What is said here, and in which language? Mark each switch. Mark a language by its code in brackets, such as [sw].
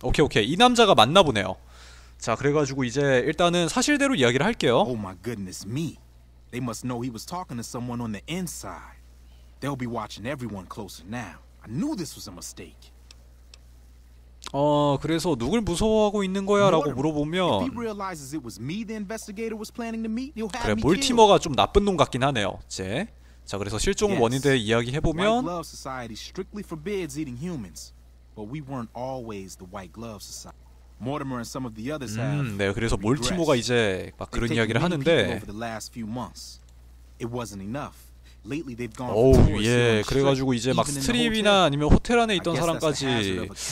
[ko] 오케이 오케이 이 남자가 맞나보네요. 자 그래가지고 이제 일단은 사실대로 이야기를 할게요. [en] Oh my goodness me. They must know he was talking to someone on the inside. They'll be watching everyone closer now. I knew this was a mistake. [ko] 그래서 누굴 무서워하고 있는 거야라고 물어보면 [en] If he realizes it was me the investigator was planning to meet, he'll have [ko] 그래, 몰티머가 좀 나쁜 놈 같긴 하네요. 제. 자, 그래서 실종 원인에 대해 이야기해 보면 [en] White Glove Society strictly forbids eating humans, but we weren't always the White Glove Society. Mortimer and some of the others have. [ko] 네, 그래서 몰티모가 이제 막 그런 이야기를 하는데. [en] It wasn't enough. Lately they've gone. [ko] 오, 예. 그래가지고 이제 막 스트립이나 아니면 호텔 안에 있던 사람까지.